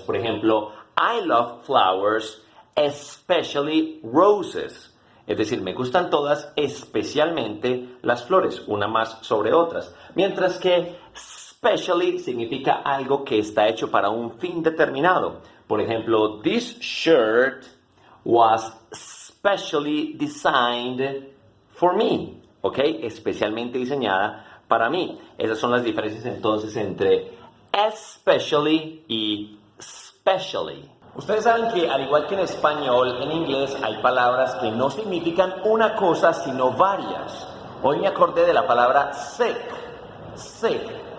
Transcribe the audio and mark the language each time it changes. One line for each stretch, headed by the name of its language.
Spanish: Por ejemplo,
English: I love flowers, especially roses.
Spanish: Es decir, me gustan todas, especialmente las flores, una más sobre otras. Mientras que specially significa algo que está hecho para un fin determinado. Por ejemplo,
English: this shirt was specially designed for me.
Spanish: ¿Ok? Especialmente diseñada para mí. Esas son las diferencias entonces entre especially y specially. Ustedes saben que al igual que en español, en inglés hay palabras que no significan una cosa sino varias. Hoy me acordé de la palabra sick. Sick.